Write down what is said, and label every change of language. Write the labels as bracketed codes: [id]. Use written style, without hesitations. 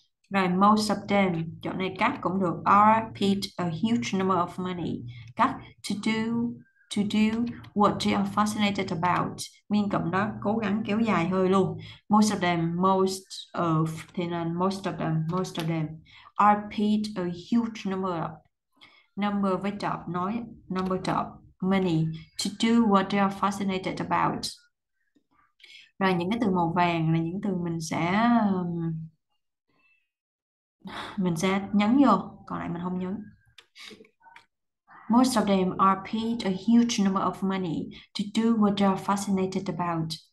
[vi] Rồi, [en] most of them, [vi] chỗ này cắt cũng được. [en] Are paid a huge number of money. Cắt, to do what they are fascinated about. [vi] Nguyên cụm đó, cố gắng kéo dài hơi luôn. [en] Most of them, thì nên most of them. Are paid a huge number với top, nói number top. Many to do what they are fascinated about. [vi] Rồi những cái từ màu vàng là những từ mình sẽ nhấn vô, còn lại mình không nhấn. [en] Most of them are paid a huge number of money to do what they are fascinated about.